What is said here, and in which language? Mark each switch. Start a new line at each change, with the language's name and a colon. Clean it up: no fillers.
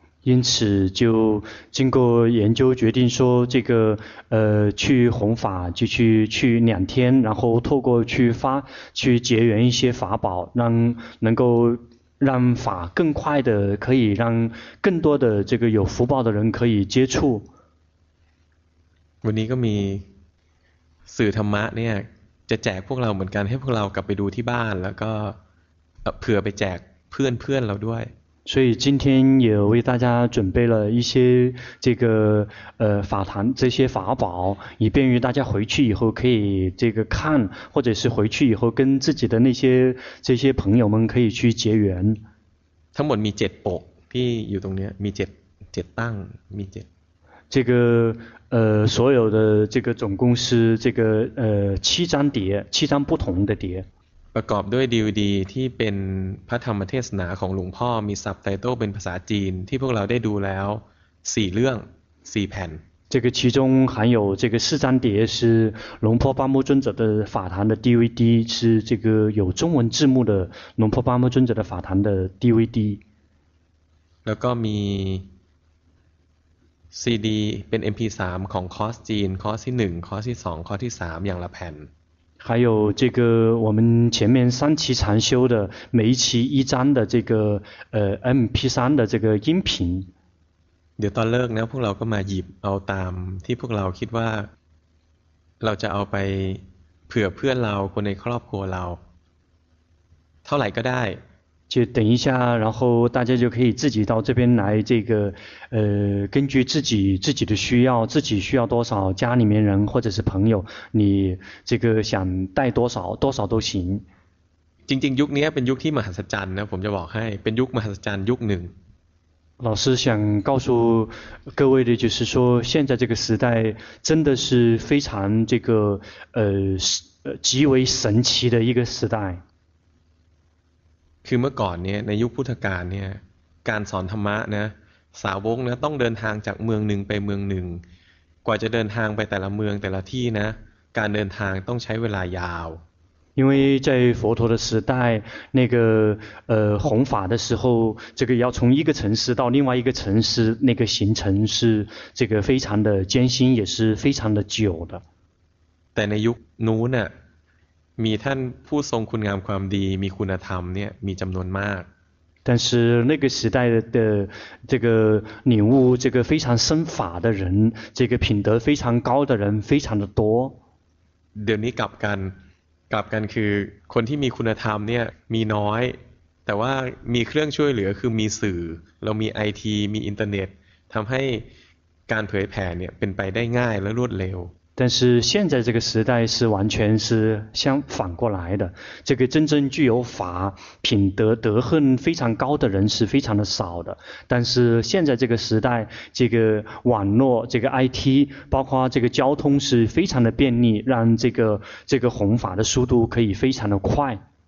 Chinese: 因此就经过研究决定说这个去弘法就去两天然后透过去发去结缘一些法宝让能够让法更快的可以让更多的这个有福报的人可以接触
Thai: วันนี้ก็มีสื่อธรรมะเนี่ยจะแจกพวกเราเหมือนกันให้พวกเรากลับไปดูที่บ้านแล้วก็เผื่อไปแจกเพื่อนเราด้วย
Chinese: 所以今天也为大家准备了一些这个法坛这些法宝以便于大家回去以后可以这个看或者是回去以后跟自己的那些这些朋友们可以去结缘
Thai: ทั้งหมดมี7ปกที่อยู่ตรงนี้มี7ตั้งมี7
Chinese: 这个所有的这个总共是这个7张碟7张不同的碟
Thai: ประกอบด้วยดีวีดีที่เป็นพระธรรมเทศนาของหลวงพ่อมีซับไตเติลเป็นภาษาจีนที่พวกเราได้ดูแล้ว4เรื่อง4แผ่น
Chinese: 这个其中含有这个四张碟是龙婆巴木尊者的法坛的 DVD 是这个有中文字幕的龙婆巴木尊者的法坛的 DVD
Thai: แล้วก็มี CD เป็น MP3 ของคอร์สจีนคอร์สที่1คอร์สที่2คอร์สที่3อย่างละแผ่น
Chinese: 还有这个我们前面三期禅修的每一期一张的这个MP3 的这个音频
Thai: เดี๋ยวตอนเลิกนะพวกเราก็มาหยิบเอาตามที่พวกเราคิดว่าเราจะเอาไปเผื่อเพื่อนเราคนในครอบครัวเราเท่าไหร่ก็ได้
Chinese: 就等一下然后大家就可以自己到这边来这个根据自己的需要自己需要多少家里面人或者是朋友你这个想带多少都行
Thai: จริงๆยุคนี้เป็นยุคที่มหัศจรรย์นะผมจะบอกให้เป็นยุคมหัศจรรย์ยุคหนึ่ง
Chinese: 老师想告诉各位的就是说，现在这个时代真的是非常这个极为神奇的一个时代。
Thai: คือเมื่อก่อนเนี่ยในยุคพุทธกาลเนี่ยการสอนธรรมะนะสาวกเนี่ยต้องเดินทางจากเมืองหนึ่งไปเมืองหนึ่งกว่าจะเดินทางไปแต่ละเมืองแต่ละที่นะการเดินทางต้องใช้เวลายาว
Chinese: 因为在佛陀的时代，那个弘法的时候，这个要从一个城市到另外一个城市，那个行程是这个非常的艰辛，也是非常的久的。
Thai: แต่ในยุคนู้นน่ะมีท่านผู้ทรงคุณงามความดีมีคุณธรรมเนี่ยมีจำนวนมาก。
Chinese: 但是那个时代的这个领悟这个非常深法的人，这个品德非常高的人非常的多。
Thai: เดี๋ยวนี้กลับกันกลับกันคือคนที่มีคุณธรรมเนี่ยมีน้อยแต่ว่ามีเครื่องช่วยเหลือคือมีสื่อเรามีไอทีมีอินเทอร์เน็ตทำให้การเผยแผ่เนี่ยเป็นไปได้ง่ายและรวดเร็ว
Chinese: 但是现在这个时代是完全是相反过来的这个真正具有法品德德恨非常高的人是非常的少的但是现在这个时代这个网络这个 IT 包括这个交通是非常的便利让这个弘法的速度可以非常的快